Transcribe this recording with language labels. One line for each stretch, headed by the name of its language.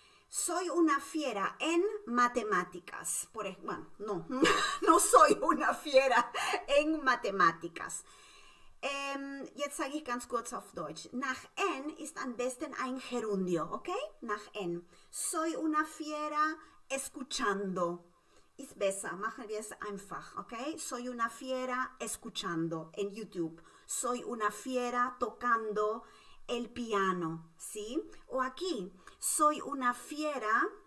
Spanish: Soy una fiera en matemáticas. Bueno, no, no soy una fiera en matemáticas.
German: Jetzt sage ich ganz kurz auf Deutsch. Nach en ist am besten ein Gerundio, ¿ok? Nach en.
Spanish: Soy una fiera escuchando.
German: Ist besser, machen wir es einfach, ¿ok?
Spanish: Soy una fiera escuchando en YouTube. Soy una fiera tocando el piano, ¿sí? O aquí, soy una fiera.